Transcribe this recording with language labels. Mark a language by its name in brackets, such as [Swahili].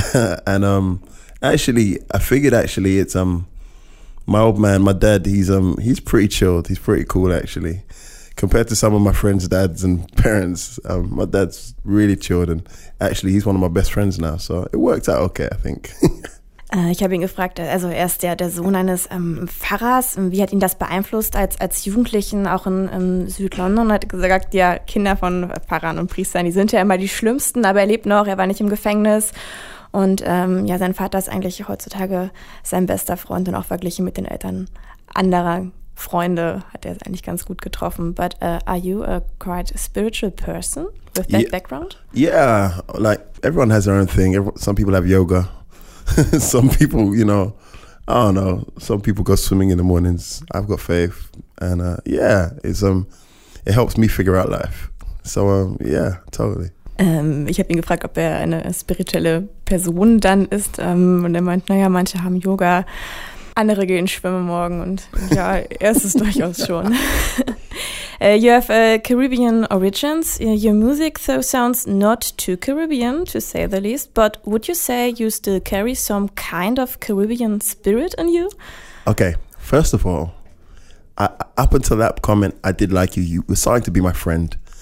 [English] And I figured my old man, my dad, he's pretty chilled. He's pretty cool, actually. Compared to some of my friends' dads and parents, my dad's really chilled. And actually, he's one of my best friends now. So it worked out okay, I think. [German] Ich habe ihn gefragt, also er ist der Sohn eines Pfarrers. Wie hat ihn das beeinflusst als Jugendlichen auch in Südlondon? Er hat gesagt, ja, Kinder von Pfarrern und Priestern, die sind ja immer die Schlimmsten. Aber er lebt noch, er war nicht im Gefängnis. Und sein Vater ist eigentlich heutzutage sein bester Freund und auch verglichen mit den Eltern anderer Freunde hat er es eigentlich ganz gut getroffen. [English] But are you a quite spiritual person with that background? Yeah, like everyone has their own thing. Some people have yoga. Some people, you know, I don't know. Some people go swimming in the mornings. I've got faith. And it helps me figure out life. So yeah, totally. [German] Ich habe ihn gefragt, ob er eine spirituelle Person dann ist. Und er meint, naja, manche haben Yoga, andere gehen schwimmen morgen. Und ja, er ist es durchaus schon. [English] You have Caribbean origins. Your music though sounds not too Caribbean, to say the least. But would you say you still carry some kind of Caribbean spirit in you? Okay, first of all, up until that comment, I did like you. You were starting to be my friend.